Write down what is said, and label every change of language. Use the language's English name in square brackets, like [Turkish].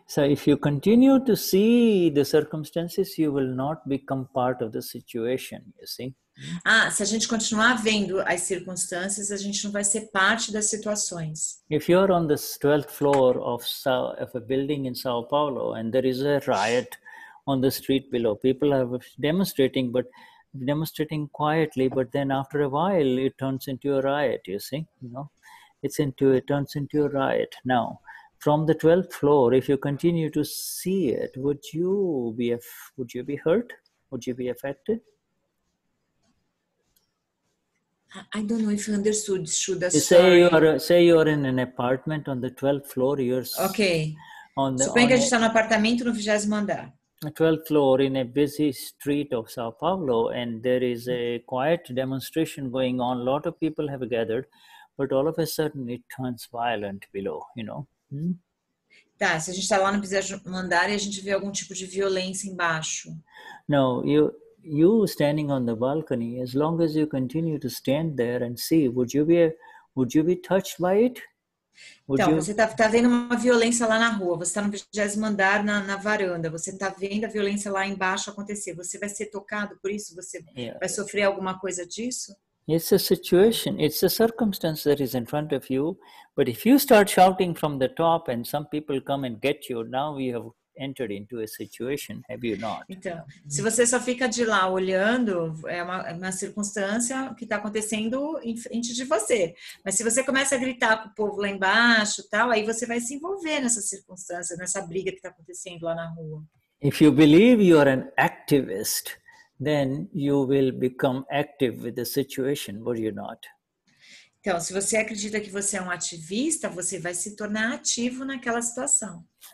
[English] If you continue to see the circumstances, you will not become part of the situation, you see? [Portuguese] Ah, se a gente continuar vendo as circunstâncias, a gente não vai ser parte das situações. [English] If you are on the 12th floor of a building in São Paulo and there is a riot on the street below, people are demonstrating quietly, but then after a while it turns into a riot, you see? You know? It turns into a riot. Now, from the 12th floor, if you continue to see it, would you be hurt? Would you be affected? I don't know if you understood, Shuddha. Say you are in an apartment on the 12th floor. You're [Portuguese] okay. Suponha que a gente está no apartamento no 20º andar. [English] 12th floor in a busy street of São Paulo, and there is a quiet demonstration going on. A lot of people have gathered, but all of a sudden it turns violent below. You know. [Portuguese] Tá. Se a gente está lá no 20º andar e a gente vê algum tipo de violência embaixo. [English] No, you standing on the balcony, as long as you continue to stand there and see, would you be touched by it? [Portuguese] Você tá vendo uma violência lá na rua, você tá no 20º andar na varanda, você tá vendo a violência lá embaixo acontecer, você vai ser tocado por isso? Você vai sofrer alguma coisa disso? [English] It's a situation, it's a circumstance that is in front of you, but if you start shouting from the top and some people come and get you, now you have entered into a situation, have you not? [Portuguese] Então, se você só fica de lá olhando, é uma circunstância que está acontecendo em frente de você. Mas se você começa a gritar com o povo lá embaixo, tal, aí você vai se envolver nessa circunstância, nessa briga que está acontecendo lá na rua. [English] If you believe you are an activist, then you will become active with the situation, would you not? [Portuguese] Então, se você acredita que você é um ativista, você vai se tornar ativo naquela situação.